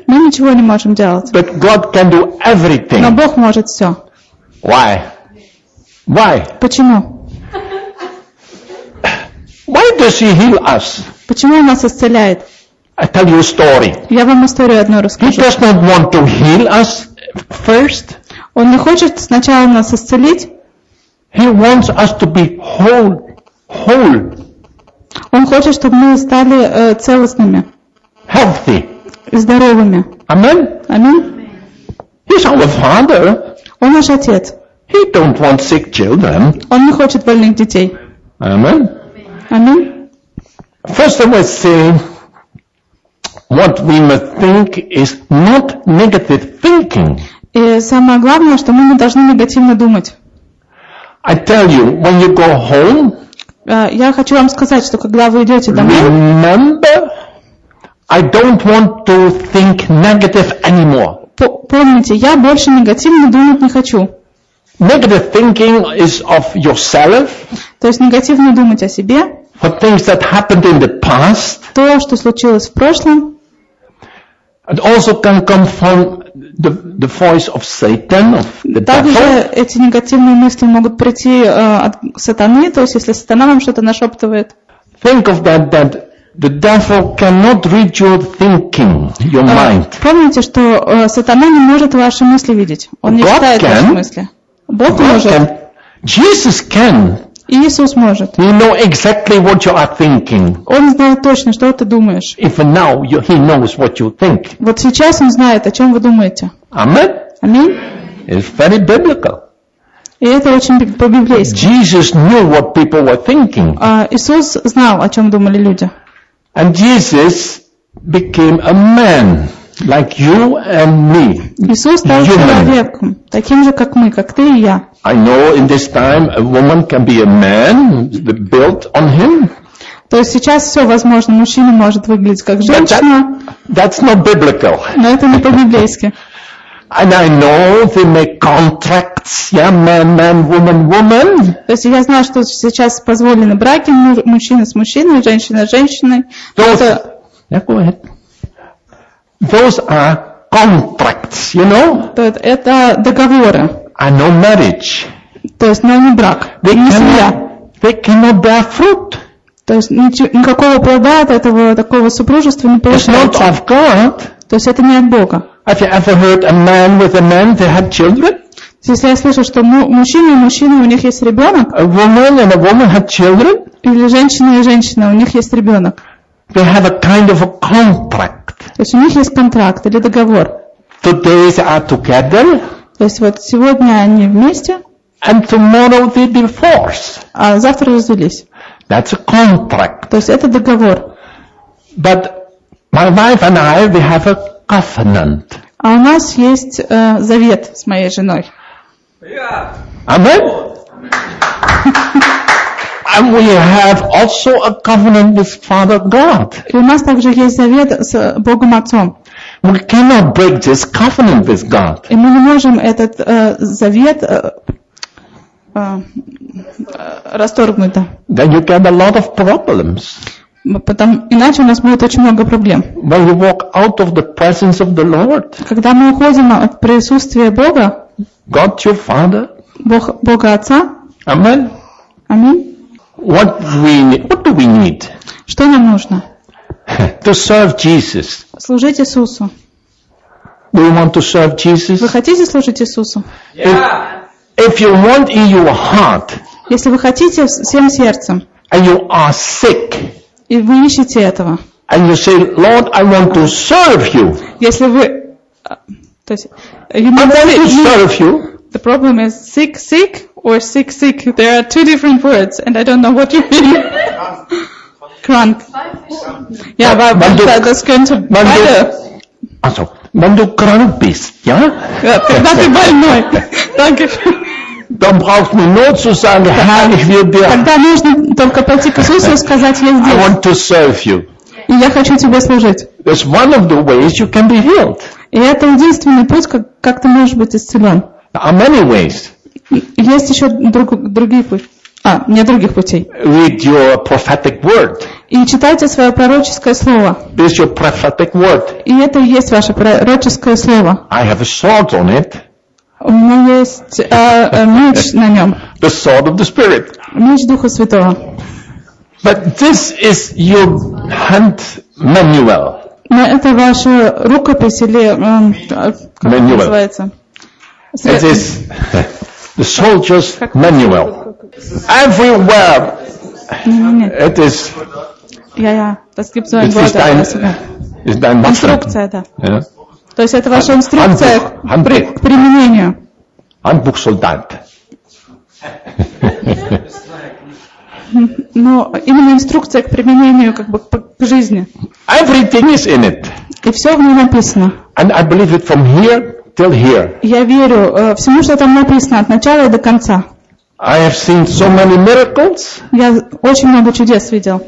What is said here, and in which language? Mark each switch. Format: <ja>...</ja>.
<ru>Мы ничего не можем делать.</ru> <en>But God can do everything.</en> <ru>Но Бог может все.</ru> <en>Why? Why?</en> <ru>Почему?</ru> <en>Why does He heal us?</en> <ru>Почему Он нас исцеляет?</ru> <en>I tell you a story.</en> <ru>Я вам историю одну расскажу.</ru> <en>He does not want to heal us first.</en> <ru>Он не хочет сначала нас исцелить.</ru> <en>He wants us to be whole. Whole.</en> <ru>Он хочет, чтобы мы стали целостными.</ru> <en>Healthy.</en> <ru>Здоровыми.</ru> <en>Amen. Amen. He's our father.</en> <ru>Он наш отец.</ru> <en>He don't want sick children.</en> <ru>Он не хочет больных детей.</ru> <en>Amen. Amen. First of all, see, what we must think is not negative thinking.</en> <ru>И самое главное, что мы не должны негативно думать.</ru> <en>I tell you, when you go home.</en> <ru>Я хочу вам сказать, что когда вы идете домой,</ru> <en>remember, I don't want to think negative anymore.</en> <ru>Помните, я больше негативно думать не хочу.</ru> <en>Negative thinking is of yourself.</en> <ru>То есть негативно думать о себе.</ru> <en>For things that happened in the past.</en> <ru>То, что случилось в прошлом.</ru> <en>It also can come from the voice of Satan, of the</en> <ru>Также</ru> <en>devil.</en> <ru>Эти негативные мысли могут прийти от сатаны, то есть если сатана вам что-то нашептывает.</ru> <en>Think of that the devil cannot read your thinking, your mind.</en> <ru>Помните, что сатана не может ваши мысли видеть. Он не читает ваши мысли. Бог может.</ru> <en>Jesus can.</en> <ru>Иисус может.</ru> <en>He knows exactly what you are thinking.</en> <ru>Он знает точно, что ты думаешь.</ru> <en>If now you, he knows what you think.</en> <ru>Вот сейчас он знает, о чем вы думаете. Аминь. Аминь.</ru> <en>It's very biblical.</en> <ru>И это очень по-библейски.</ru> <en>Jesus knew what people were thinking.</en> <ru>Иисус знал, о чем думали люди.</ru> <en>And Jesus became a man like you and me.</en> <ru>Иисус стал человеком, таким же как мы, как ты и я.</ru> <en>I know in this time a woman can be a man built on him.</en> <ru>То есть сейчас все возможно, мужчина может выглядеть как женщина.</ru> <en>That's not biblical.</en> <ru>Но это не по-библейски.</ru> <en>And I know they make contracts, yeah, man, man, woman, woman.</en> <ru>То есть я знаю, что сейчас позволены браки мужчина с мужчиной, женщина с женщиной.</ru> <en>Those, yeah, go ahead. Those are contracts, you know?</en> <ru>То есть это договоры.</ru> <en>And no marriage.</en> <ru>То есть но не брак.</ru> <en>They,</en> <ru>не</ru> <en>cannot, they cannot bear fruit.</en> <ru>То есть никакого плода от этого такого супружества не получается.</ru> <en>It's not of God.</en> <ru>То есть это не от Бога.</ru> <en>Have you ever heard a man with a man they have children?</en> <ru>Если я слышу, что мужчина и мужчина у них есть ребенок?</ru> <en>A woman and a woman have children?</en> <ru>Или женщина и женщина у них есть ребенок?</ru> <en>They have a kind of a contract.</en> <ru>То есть у них есть контракт или договор?</ru> <en>Today they are together.</en> <ru>То есть вот сегодня они вместе.</ru> <en>And tomorrow they divorce.</en> <ru>А завтра развелись.</ru> <en>That's a contract.</en> <ru>То есть это договор.</ru> <en>But my wife and I, we have a covenant.</en> <ru>А у нас есть завет с моей женой.</ru> <en>Amen. And we have also a covenant with Father God.</en> <ru>И у нас также есть завет с Богом Отцом.</ru> <en>We cannot break this covenant with God.</en> <ru>И мы не можем этот завет расторгнуть.</ru> <en>Then you get a lot of problems.</en> <ru>Иначе у нас будет очень много проблем.</ru> <en>When we walk out of the presence of the Lord.</en> <ru>Когда мы уходим от присутствия Бога.</ru> <en>God your Father.</en> <ru>Бога Отца.</ru> <en>Amen. Amen. What do we need?</en> <ru>Что нам нужно?</ru> <en>To serve Jesus.</en> <ru>Служить Иисусу.</ru> <en>Do you want to serve Jesus?</en> <ru>Вы хотите служить Иисусу?</ru> <en>Yeah. If you want in your heart.</en> <ru>Если вы хотите всем сердцем.</ru> <en>And you are sick.</en> <ru>И вы ищете этого.</ru> <en>And you say, Lord, I want to serve you.</en> <ru>Если вы, то есть,</ru> <en>you want to serve you. The problem is sick, sick or sick, sick. There are two different words, and I don't know what you mean. Crank. Yeah, but that's going to matter.</en> <de>Also, wenn du krank bist, ja? Ja, das ist</de> <ru>больной.</ru> <de>Danke. Dann brauchst du nur zu sagen, Herr, ich will dir.</de> <ru>Тогда нужно только пойти к Иисусу и сказать, я здесь.</ru> <en>I want to serve you.</en> <ru>И я хочу тебе служить.</ru> <en>It's one of the ways you can be healed.</en> <ru>И это единственный путь, как ты можешь быть исцелен.</ru> <en>There are many ways.</en> <ru>Есть еще другие пути. Не других путей.</ru> <en>Read your prophetic word.</en> <ru>И читайте свое пророческое слово.</ru> <en>This your prophetic word.</en> <ru>И это и есть ваше пророческое слово.</ru> <en>I have a sword on it.</en> <ru>У меня есть меч на нем.</ru> <en>The sword of the Spirit.</en> <ru>Меч Духа Святого.</ru> <en>But this is your hand manual.</en> <ru>Но это ваша рукопись или</ru> <en>manual.</en> <ru>Как это называется?</ru> <en>It is the soldier's manual. Everywhere. It is.</en> <de>Я. Das gibt so ein Wort. Ist dein Instruktion,</de> <ru>да. То есть это ваша инструкция к применению.</ru> <de>Handbuch Soldat.</de> <ru>Но именно инструкция к применению, как бы к жизни.</ru> <en>Everything is in it.</en> <ru>И все в ней написано.</ru> <en>And I believe it from here till here.</en> <ru>Я верю всему, что там написано, от начала и до конца.</ru> <en>I have seen so many miracles.</en> <ru>Я очень много чудес видел.</ru>